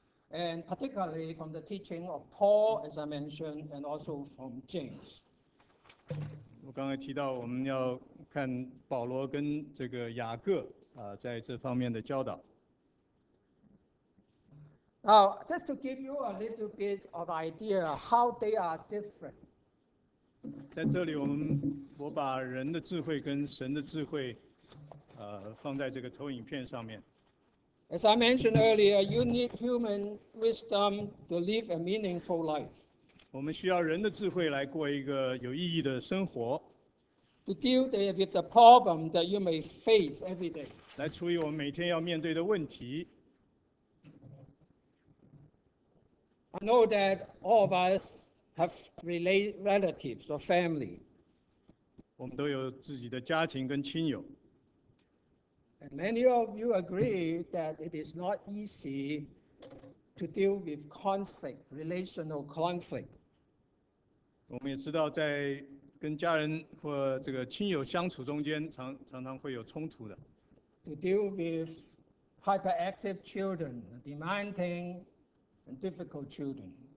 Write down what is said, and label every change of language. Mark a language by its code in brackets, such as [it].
[en] And particularly from the teaching of Paul, as I mentioned, and also from James. [zh] 我刚才提到我们要看保罗跟这个雅各在这方面的教导。 [en] Now, just to give you a little bit of idea how they are different. [zh] 在这里我把人的智慧跟神的智慧放在这个投影片上面。 [en] As I mentioned earlier, you need human wisdom to live a meaningful life. [zh] 我们需要人的智慧来过一个有意义的生活。 [en] To deal with the problem that you may face every day. [zh] 来处理我们每天要面对的问题。 [en] I know that all of us have relatives or family. [zh] 我们都有自己的家庭跟亲友。 [en] And many of you agree that it is not easy to deal with conflict, relational conflict. [zh] 我们也知道，在跟家人或这个亲友相处中间，常常会有冲突的。 [en] To deal with hyperactive children, demanding and difficult children.